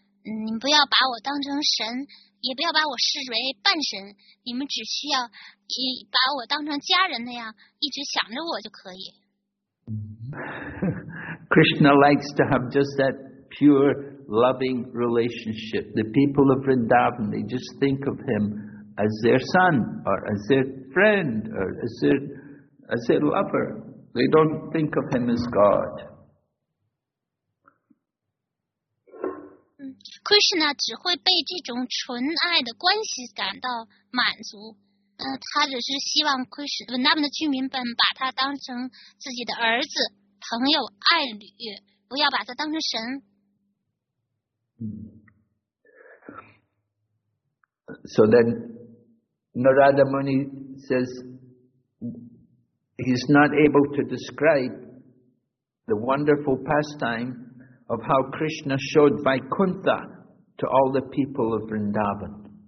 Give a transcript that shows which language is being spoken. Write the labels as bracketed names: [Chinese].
[Chinese] 你不要把我当成神，也不要把我视为半神，你们只需要把我当成家人那样一直想着我就可以。 [English] Krishna likes to have just that pure loving relationship. The people of Vrindavan, they just think of him as their son or as their friend or as their lover. They don't think of him as God. [Chinese] Krishna 只会被这种纯爱的关系感到满足，他只是希望奎什顿那边的居民们把他当成自己的儿子、朋友、爱侣，不要把他当成神。 [English] So then Narada Muni says he's not able to describe the wonderful pastime of how Krishna showed Vaikuntha to all the people of Vrindavan.